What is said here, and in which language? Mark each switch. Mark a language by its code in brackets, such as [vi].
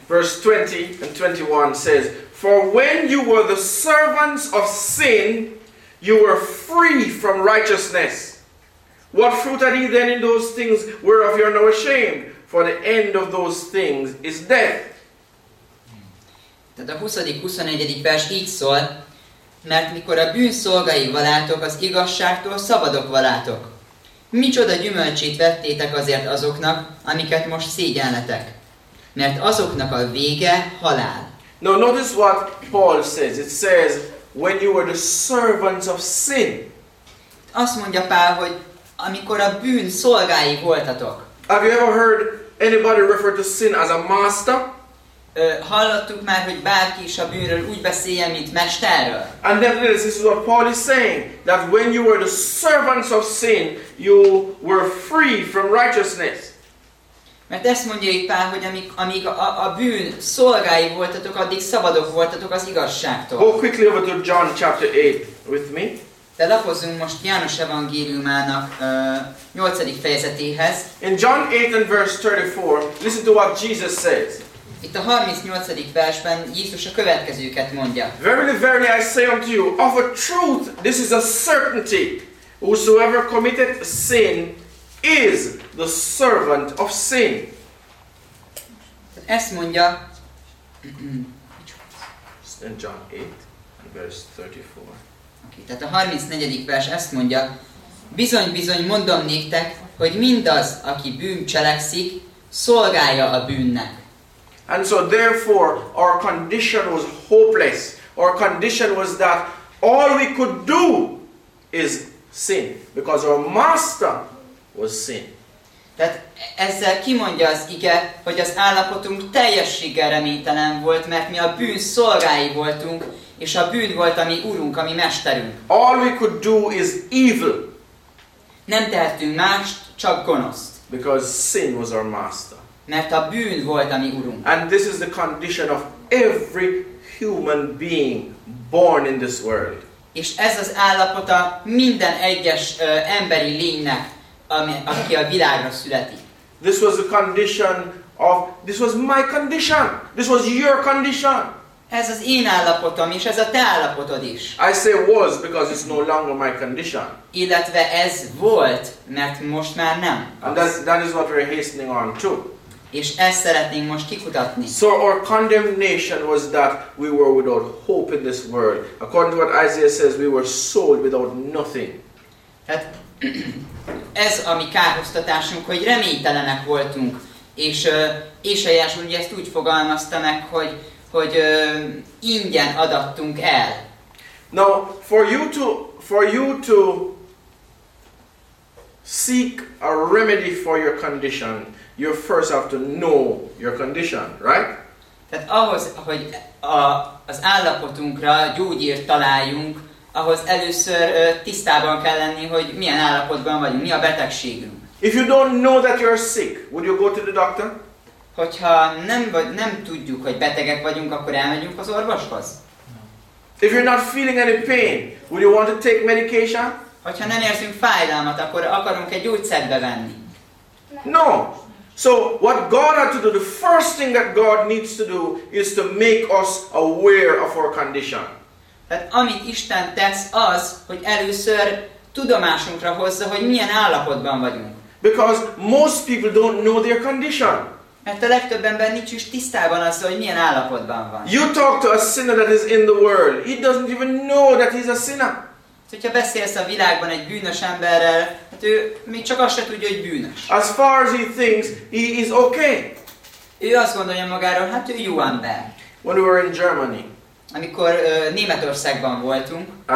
[en] Verse 20 and 21 says, for when you were the servants of sin, you were free from righteousness. What fruit are ye then in those things whereof you are now ashamed? For the end of those things is death. [hu] Tehát a 20. 21. vers így szól, mert mikor a bűn szolgai valátok, az igazságtól szabadok valátok. Micsoda gyümölcsét vettétek azért azoknak, amiket most szégyelletek? Mert azoknak a vége halál. [en] Now notice what Paul says. It says, when you were the servants of sin. [hu] Azt mondja Pál, hogy amikor a bűn szolgái voltatok. [en] Have you ever heard anybody refer to sin as a master? [hu] Hallottuk már, hogy bárki is a bűnről úgy beszéljen, mint mesterről. [en] And nevertheless, this is what Paul is saying, that when you were the servants of sin, you were free from righteousness. [hu] Mert ezt mondja itt Pál, hogy amíg a bűn szolgái voltatok, addig szabadok voltatok az igazságtól. [en] Go quickly over to John chapter 8 with me. [hu] De lapozzunk most János evangéliumának 8. fejezetéhez. [en] In John 8 and verse 34, listen to what Jesus says. [hu] Itt a 38. versben Jézus a következőket mondja. [en] Verily, verily, I say unto you, of a truth, this is a certainty. Whosoever committed sin is the servant of sin. [hu] Ezt mondja. [en] In John 8 and verse 34. [hu] Tehát a 34. vers ezt mondja, bizony-bizony mondom néktek, hogy mindaz, aki bűn cselekszik, szolgálja a bűnnek. [en] And so therefore our condition was hopeless. our condition was that all we could do is sin, because our master was sin. [hu] Tehát ezzel kimondja az ige, hogy az állapotunk teljességgel reménytelen volt, mert mi a bűn szolgái voltunk, és a bűn volt a mi urunk, a mi mesterünk. [en] All we could do is evil. [hu] Nem tehetünk mást, csak gonoszt. [en] Because sin was our master. [hu] Mert a bűn volt a mi urunk. [en] And this is the condition of every human being born in this world. [hu] És ez az állapota minden egyes emberi lénynek, aki a világra születik. [en] This was the condition of, this was my condition, this was your condition. [hu] Ez az én állapotom, és ez a te állapotod is. [en] I say was, because it's no longer my condition. [hu] Illetve ez volt, mert most már nem. [en] And that is what we're hastening on to. [hu] És ezt szeretnénk most kikutatni. [en] So our condemnation was that we were without hope in this world. According to what Isaiah says, we were sold without nothing. [hu] Tehát ez a mi kárhoztatásunk, hogy reménytelenek voltunk, és Ésaiás ugye ezt úgy fogalmazta meg, hogy ingyen adattunk el. [en] Now, for you to seek a remedy for your condition, you first have to know your condition, right? [hu] Tehát ahhoz, hogy az állapotunkra gyógyírt találjunk, ahhoz először tisztában kell lenni, hogy milyen állapotban vagyunk, mi a betegségünk. [en] If you don't know that you're sick, would you go to the doctor? [hu] Hogyha nem tudjuk, hogy betegek vagyunk, akkor elmegyünk az orvoshoz. [en] If you're not feeling any pain, would you want to take medication? [hu] Hogyha nem érzünk fájdalmat, akkor akarunk egy gyógyszert bevenni. [en] No. So what God had to do, the first thing that God needs to do is to make us aware of our condition. [hu] Tehát amit Isten tesz az, hogy először tudomásunkra hozza, hogy milyen állapotban vagyunk. [en] Because most people don't know their condition. [hu] Mert a legtöbb ember nincs is tisztában azzal, hogy milyen állapotban van. [en] You talk to a sinner that is in the world, he doesn't even know that he's a sinner. [hu] Hogyha beszélsz a világban egy bűnös emberrel, hát ő még csak azt se tudja, hogy bűnös. [en] As far as he thinks, he is okay. [hu] Ő azt gondolja magáról, hát ő jó ember. [en] When we were in Germany. [hu] Amikor Németországban voltunk,